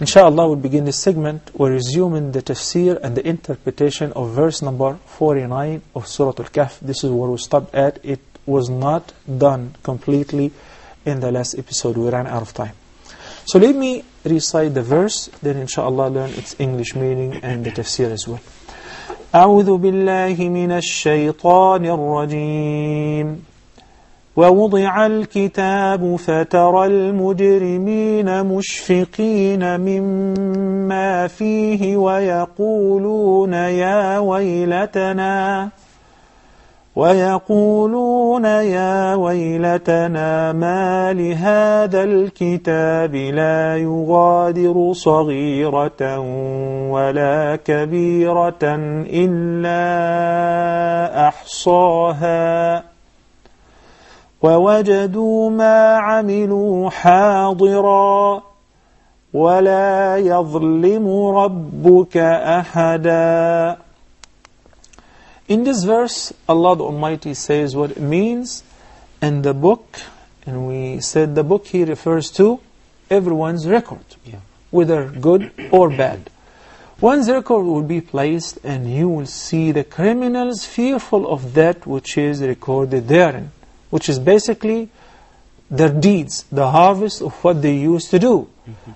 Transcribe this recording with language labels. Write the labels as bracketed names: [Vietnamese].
[English] Inshallah, we'll begin this segment. We're resuming the tafsir and the interpretation of verse number 49 of Surah Al-Kahf. This is where we stopped at. It was not done completely in the last episode. We ran out of time. So let me recite the verse, then inshallah learn its English meaning and the tafsir as well. [Arabic] أعوذ بالله من الشيطان الرجيم ووضع الكتاب فترى المجرمين مشفقين مما فيه ويقولون يا ويلتنا ويقولون يا ويلتنا ما لهذا الكتاب لا يغادر صغيرة ولا كبيرة إلا أحصاها ووجدوا ما عملوا حاضرا ولا يظلم ربك أحدا. [English] In this verse, Allah the Almighty says what it means, and the book, and we said the book he refers to everyone's record, whether good or bad. One's record will be placed, and you will see the criminals fearful of that which is recorded therein, which is basically their deeds, the harvest of what they used to do. Mm-hmm.